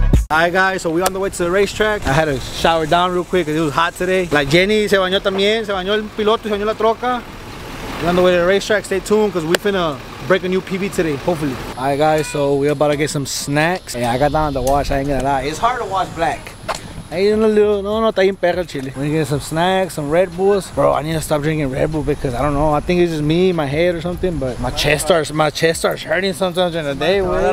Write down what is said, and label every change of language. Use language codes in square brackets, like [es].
[en] All right, guys, so we're on the way to the racetrack. I had to shower down real quick because it was hot today. [es] Like Jenny se bañó también, se bañó el piloto, se bañó la troca. [en] We're on the way to the racetrack. Stay tuned because we finna break a new PB today, hopefully. All right, guys, so we're about to get some snacks. Yeah, I got down to wash, I ain't gonna lie. It's hard to wash black. [es] Está bien perro el chile. [en] We're gonna get some snacks, some Red Bulls. Bro, I need to stop drinking Red Bull because I don't know. I think it's just me, my head or something, but my chest starts hurting sometimes during the day, wey.